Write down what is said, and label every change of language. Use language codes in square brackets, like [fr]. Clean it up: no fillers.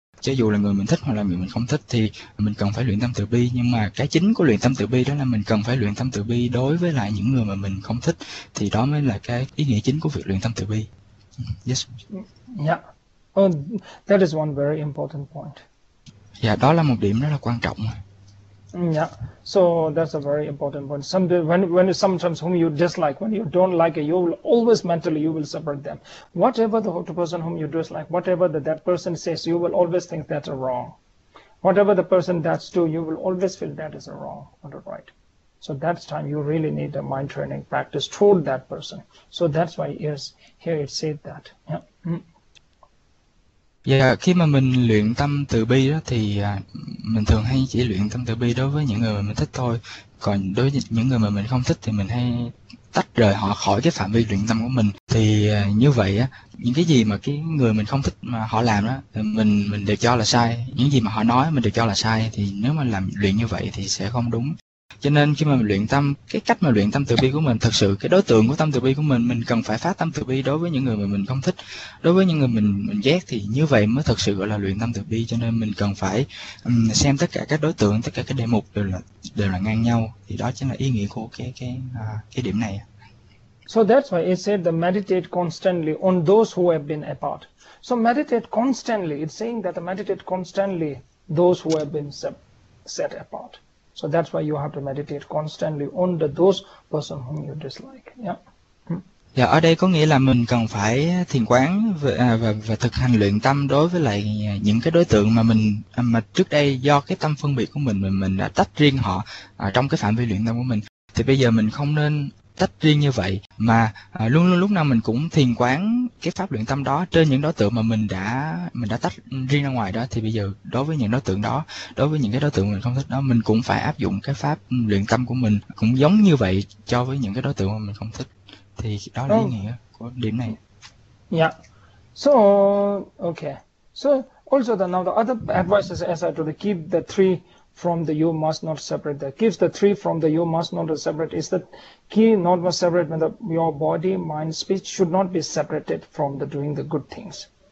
[vi] Cho dù là người mình thích hoặc là người mình không thích thì mình cần phải luyện tâm từ bi, nhưng mà cái chính của luyện tâm từ bi đó là mình cần phải luyện tâm từ bi đối với lại những người mà mình không thích, thì đó mới là cái ý nghĩa chính của việc luyện tâm từ bi. [en] Yes. Oh, that is one very important point. [vi] Dạ, đó là một điểm rất là quan trọng. [en] So that's a very important point. Sometimes whom you dislike, when you don't like it, you will always mentally you will separate them. Whatever the other person whom you dislike, whatever that person says, you will always think that's a wrong. Whatever the person does too, you will always feel that is a wrong or a right. So that's time you really need a mind training practice toward that person. So that's why here it said that. [vi] Và khi mà mình luyện tâm từ bi đó thì mình thường hay chỉ luyện tâm từ bi đối với những người mà mình thích thôi. Còn đối với những người mà mình không thích thì mình hay tách rời họ khỏi cái phạm vi luyện tâm của mình. Thì như vậy á, những cái gì mà cái người mình không thích mà họ làm đó, mình đều cho là sai. Những gì mà họ nói mình đều cho là sai, thì nếu mà làm luyện như vậy thì sẽ không đúng. Cho nên khi mà mình luyện tâm, cái cách mà luyện tâm từ bi của mình, thật sự cái đối tượng của tâm từ bi của mình cần phải phát tâm từ bi đối với những người mà mình không thích, đối với những người mình ghét, thì như vậy mới thật sự gọi là luyện tâm từ bi. Cho nên mình cần phải xem tất cả các đối tượng, tất cả các đề mục đều là ngang nhau, thì đó chính là ý nghĩa của cái điểm này. [en] So that's why it said the meditate constantly on those who have been apart. So meditate constantly. It's saying that the meditate constantly those who have been set apart. So that's why you have to meditate constantly on those person whom you dislike. [vi] Dạ, ở đây có nghĩa là mình cần phải thiền quán và thực hành luyện tâm đối với lại những cái đối tượng mà trước đây do cái tâm phân biệt của mình đã tách riêng họ trong cái phạm vi luyện tâm của mình. Thì bây giờ mình không nên tách riêng như vậy, mà luôn luôn lúc nào mình cũng thiền quán cái pháp luyện tâm đó trên những đối tượng mà mình đã tách riêng ra ngoài đó. Thì bây giờ đối với những đối tượng đó, đối với những cái đối tượng mình không thích đó, mình cũng phải áp dụng cái pháp luyện tâm của mình cũng giống như vậy cho với những cái đối tượng mà mình không thích. Thì đó là ý nghĩa của điểm này. [en] So also the now the other advice is as I told you, keep the three from the you must not separate that. Keeps the three from the you must not separate is that key not must separate when your body, mind, speech should not be separated from the doing the good things.